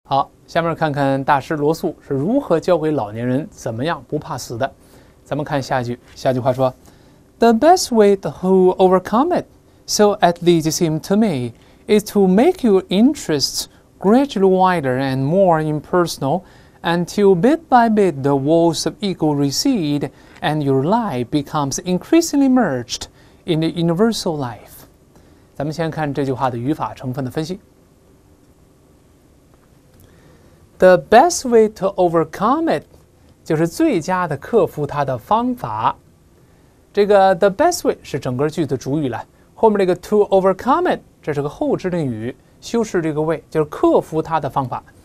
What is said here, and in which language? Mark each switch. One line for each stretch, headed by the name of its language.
Chinese: 好，下面看看大师罗素是如何教给老年人怎么样不怕死的。咱们看下一句，下句话说：“
English: The best way to overcome it, so at least it seemed to me, is to make your interests gradually wider and more impersonal, until bit by bit the walls of ego recede and your life becomes increasingly merged in the universal life。”
Chinese: 咱们先看这句话的语法成分的分析。
English: The best way to overcome it
Chinese: 就是最佳的克服它的方法。这个
English: the best way
Chinese: 是整个句子主语了，后面这个
English: to overcome it
Chinese: 这是个后置定语，修饰这个 way 就是克服它的方法。